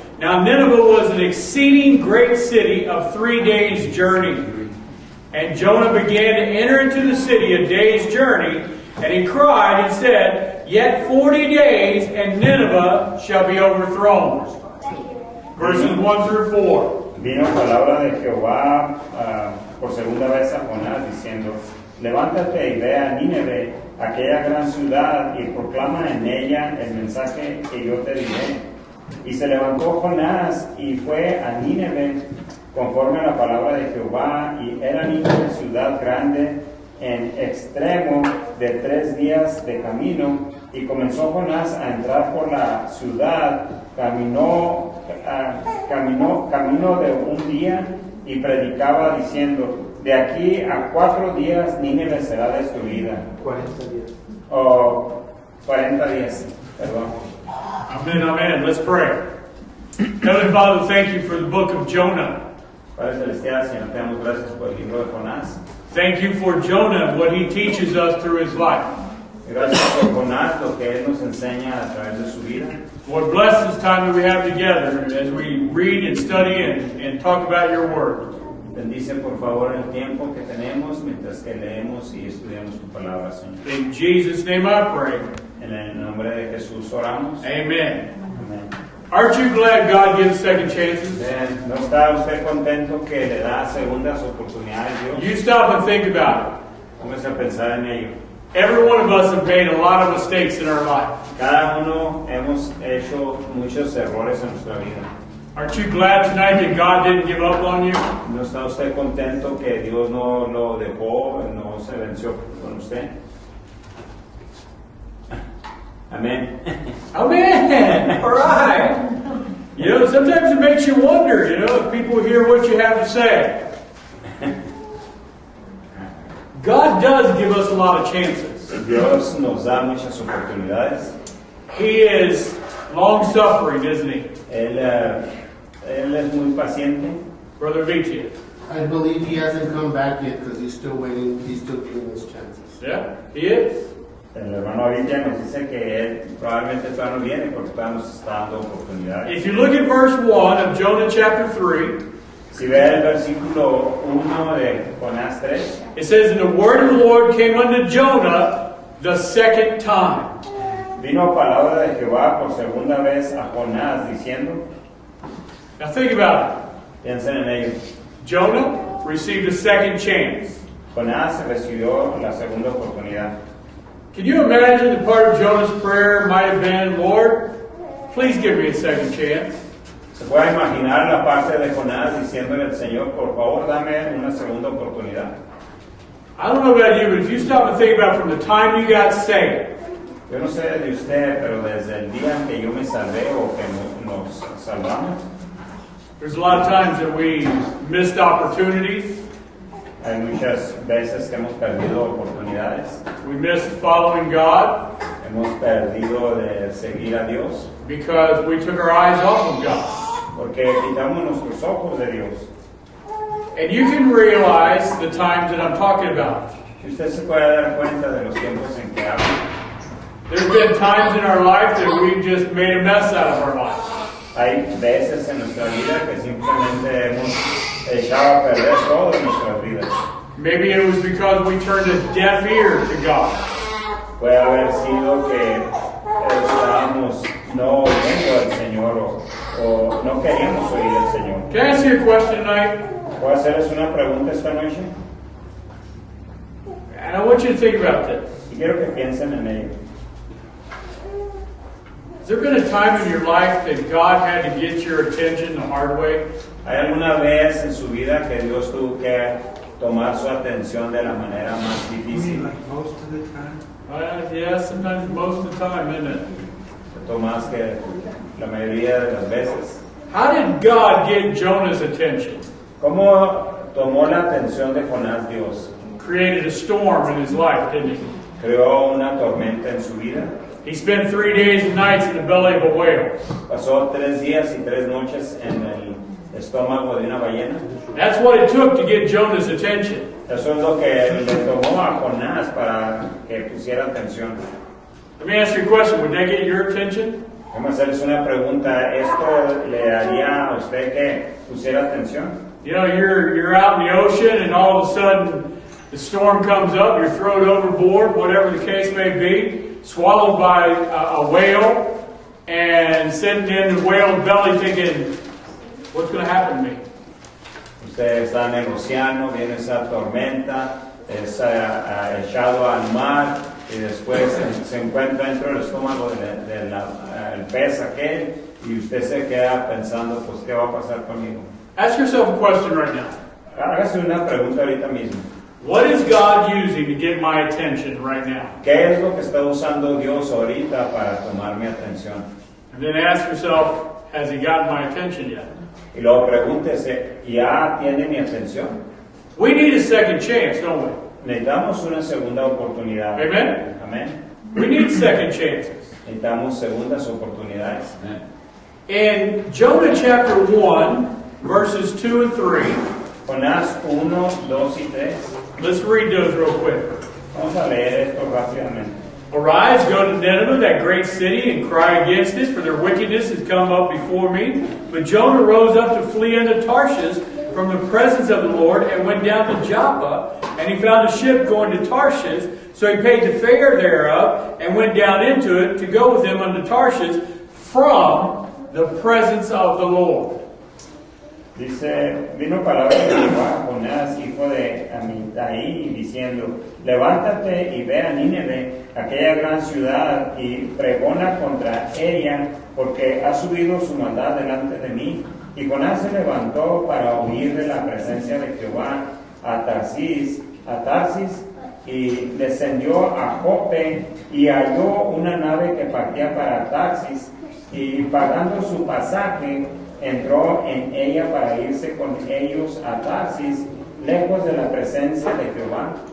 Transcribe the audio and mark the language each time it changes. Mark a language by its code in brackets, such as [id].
[en] Now Nineveh was an exceeding great city of 3 days' journey. And Jonah began to enter into the city a day's journey, and he cried and said, yet 40 days, and Nineveh shall be overthrown. Verses 1 through 4. [es] Vino palabra de Jehová por segunda vez a Jonás, diciendo, levántate y ve a Nínive, aquella gran ciudad, y proclama en ella el mensaje que yo te diré. Y se levantó Jonás y fue a Nínive, conforme a la palabra de Jehová, y era Nínive ciudad grande, en extremo de 3 días de camino. Y comenzó Jonás a entrar por la ciudad, caminó de un día y predicaba diciendo, de aquí a 4 días Nínive será destruida. 40 días. Oh, 40 días, perdón. [en] Amén, amén. Let's pray. Heavenly Father, thank you for the book of Jonah. [es] Padre Celestial, Señor, te damos gracias por el libro de Jonás. [en] Thank you for Jonah, what he teaches us through his life. [es] Gracias por Jonás, lo que él nos enseña a través de su vida. [en] Lord, bless this time that we have together as we read and study and talk about your word. [es] Bendice, por favor, el tiempo que tenemos mientras que leemos y estudiamos tu palabra, Señor. [en] In Jesus' name I pray. [es] En el nombre de Jesús oramos. [en] Amen. Amen. Aren't you glad God gives second chances? Amen. [es] ¿No está usted contento que le da segundas oportunidades, Dios? [en] You stop and think about it. [es] Comienza a pensar en ello. [en] Every one of us have made a lot of mistakes in our life. [es] Cada uno hemos hecho muchos errores en nuestra vida. [en] Aren't you glad tonight that God didn't give up on you? [es] ¿No está usted contento que Dios no lo dejó, no se venció con usted? Amen. [en] Amen. All right. You know, sometimes it makes you wonder, you know, if people hear what you have to say. God does give us a lot of chances. [es] Dios nos da muchas oportunidades. [en] He is long-suffering, isn't he? [es] Él es muy paciente. [en] Brother Vici. I believe he hasn't come back yet because he's still waiting. He's still giving us chances. Yeah, he is. [es] El hermano Vici nos dice que él probablemente todavía no viene porque estamos dando oportunidades. [en] If you look at verse 1 of Jonah chapter 3, [es] si ve el versículo 1 de Jonás 3, [en] it says, and the word of the Lord came unto Jonah the second time. [es] Vino palabra de Jehová por segunda vez a Jonás diciendo. [en] Now think about it. [es] piensen en ellos. [en] Jonah received a second chance. [es] Jonás recibió la segunda oportunidad. [en] Can you imagine the part of Jonah's prayer might have been, Lord, please give me a second chance? [es] ¿Se puede imaginar la parte de Jonás diciéndole al Señor, por favor, dame una segunda oportunidad? [en] I don't know about you, but if you stop and think about from the time you got saved, [es] yo no sé de usted, pero desde el día que yo me salvé o que nos salvamos, [en] there's a lot of times that we missed opportunities. [es] Hay muchas veces que hemos perdido oportunidades. [en] We missed following God. [es] Hemos perdido de seguir a Dios. [en] Because we took our eyes off of God. [es] Porque quitamos nuestros ojos de Dios. [en] And you can realize the times that I'm talking about. [es] Usted se puede dar cuenta de los tiempos en que hablo. [en] There have been times in our life that we've just made a mess out of our life. [es] Hay veces en nuestra vida que simplemente hemos echado a perder todo en nuestra vida. [en] Maybe it was because we turned a deaf ear to God. [es] Puede haber sido que estábamos no oyendo al Señor o no queríamos oír al Señor. [en] Can I ask you a question tonight? [es] ¿Puedo hacerles una pregunta esta noche? [en] And I want you to think about this. [es] Y quiero que piensen en ello. [en] Has there been a time in your life that God had to get your attention the hard way? [es] ¿Hay alguna vez en su vida que Dios tuvo que tomar su atención de la manera más difícil? [en] You mean like most of the time? Sometimes most of the time, isn't it? [es] Tomás que la mayoría de las veces. [en] How did God get Jonah's attention? [es] ¿Cómo tomó la atención de Jonás Dios? [en] Created a storm in his life, didn't he? [es] Creó una tormenta en su vida. [en] He spent 3 days and nights in the belly of a whale. [es] Pasó 3 días y 3 noches en el estómago de una ballena. [en] That's what it took to get Jonah's attention. [es] Eso es lo que le tomó a Jonás para que pusiera atención. [en] Let me ask you a question. Would that get your attention? [es] Vamos a hacerles una pregunta. ¿Esto le haría a usted que pusiera atención? [en] You know, you're out in the ocean and all of a sudden the storm comes up. You're thrown overboard, whatever the case may be. Swallowed by a whale and sitting in the whale belly thinking, what's going to happen to me? [es] Usted está en el océano, viene esa tormenta, es echado al mar y después se encuentra dentro del estómago del pez aquel y usted se queda pensando, pues, ¿qué va a pasar conmigo? [en] Ask yourself a question right now. [es] Hágase una pregunta ahorita mismo. [en] What is God using to get my attention right now? [es] ¿Qué es lo que está usando Dios ahorita para tomar mi atención? [en] And then ask yourself, has he gotten my attention yet? [es] Y luego pregúntese, ¿ya tiene mi atención? [en] We need a second chance, don't we? [es] Necesitamos una segunda oportunidad. Amen. Amen. [en] We need second chances. [es] Necesitamos segundas oportunidades. Amen. [en] In Jonah chapter 1, verses 2 and 3. [es] Jonás 1, 2 y 3. [en] Let's read those real quick. [es] Vamos a leer esto rápidamente. [en] Arise, go to Nineveh, that great city, and cry against it, for their wickedness has come up before me. But Jonah rose up to flee into Tarshish from the presence of the Lord, and went down to Joppa, and he found a ship going to Tarshish. So he paid the fare thereof, and went down into it to go with them unto Tarshish from the presence of the Lord. [es] Dice, vino palabra de Jehová a Jonás, hijo de Amitai, diciendo, levántate y ve a Nínive, aquella gran ciudad, y pregona contra ella, porque ha subido su maldad delante de mí. Y Jonás se levantó para huir de la presencia de Jehová a Tarsis, y descendió a Joppe, y halló una nave que partía para Tarsis, y pagando su pasaje, entró en ella para irse con ellos a Tarsis, lejos de la presencia de Jehová.